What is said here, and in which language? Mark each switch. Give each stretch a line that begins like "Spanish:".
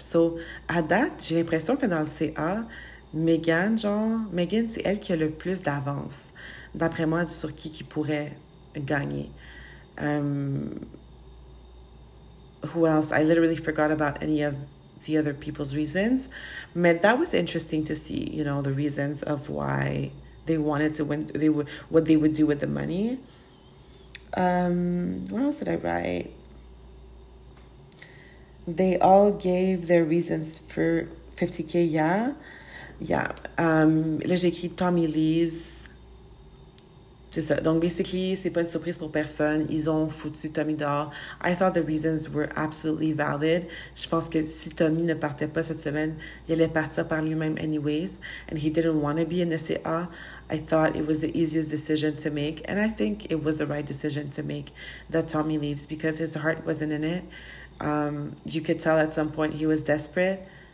French: So, à date, j'ai l'impression que dans le CA, Megan, c'est elle qui a le plus d'avance, d'après moi, sur qui pourrait gagner.
English: Who else? I literally forgot about any of the other people's reasons. But that was interesting to see, the reasons of why they wanted to win, what they would do with the money. What else did I write? They all gave their reasons for 50K, yeah.
French: Yeah. Là, j'ai écrit Tommy leaves. C'est ça. Donc, basically, c'est pas une surprise pour personne. Ils ont foutu Tommy dehors.
English: I thought the reasons were absolutely valid.
French: Je pense que si Tommy ne partait pas cette semaine, il allait partir par lui-même anyways.
English: And he didn't want to be in the CA. I thought it was the easiest decision to make. And I think it was the right decision to make that Tommy leaves because his heart wasn't in it. You could tell at some point he was desperate.